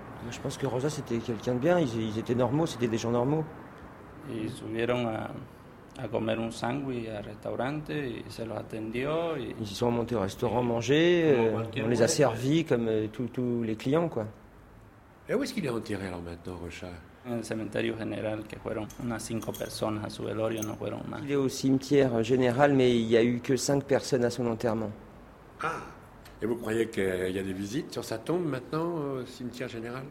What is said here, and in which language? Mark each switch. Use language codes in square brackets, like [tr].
[fr] Je pense que Rosa c'était quelqu'un de bien, ils étaient normaux, c'était des gens normaux. [es] Ils subieron a comer un sándwich al restaurante y se los atendió. [fr] Ils y sont montés au restaurant manger, on les a servis comme tous les clients, quoi. Et où est-ce qu'il est enterré alors maintenant, Rocha? [es] En el cementerio general, que fueron unas cinco personas a su velorio, no fueron más. [fr] Il est au cimetière général, mais il n'y a eu que cinq personnes à son enterrement. Ah, et vous croyez qu'il y a des visites sur sa tombe maintenant au cimetière général?